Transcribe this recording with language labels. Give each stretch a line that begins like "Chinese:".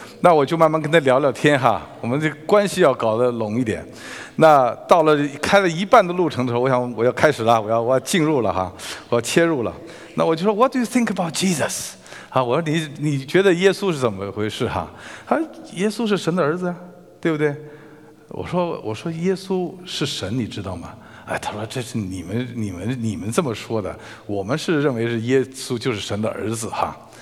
Chinese: 那我就慢慢跟他聊聊天哈，我们这关系要搞得拢一点。那到了开了一半的路程的时候，我想我要开始了，我要进入了哈，我要切入了。那我就说
English: What do you think about Jesus？
Chinese: 啊，我说你觉得耶稣是怎么回事哈？他说耶稣是神的儿子，对不对？我说耶稣是神，你知道吗？哎，他说这是你们这么说的，我们是认为是耶稣就是神的儿子哈。